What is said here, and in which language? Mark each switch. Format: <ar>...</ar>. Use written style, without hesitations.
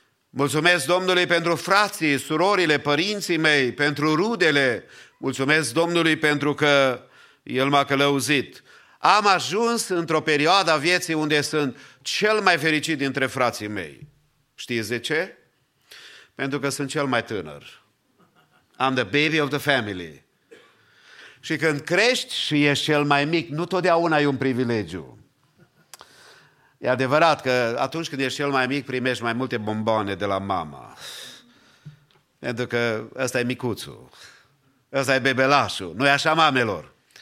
<ro>Mulțumesc Domnului pentru frații, surorile, părinții mei, pentru rudele. Mulțumesc Domnului pentru că El m-a călăuzit. Am ajuns într-o perioadă a vieții unde sunt cel mai fericit dintre frații mei. Știți de ce? Pentru că sunt cel mai tânăr.</ro> <en>I'm the baby of the family.</en> <ro>Și când crești și ești cel mai mic, nu totdeauna ai un privilegiu. E adevărat că atunci când ești cel mai mic, primești mai multe bomboane de la mama. Pentru că ăsta e micuțul, ăsta e bebelașul, nu-i așa, mamelor?</ro>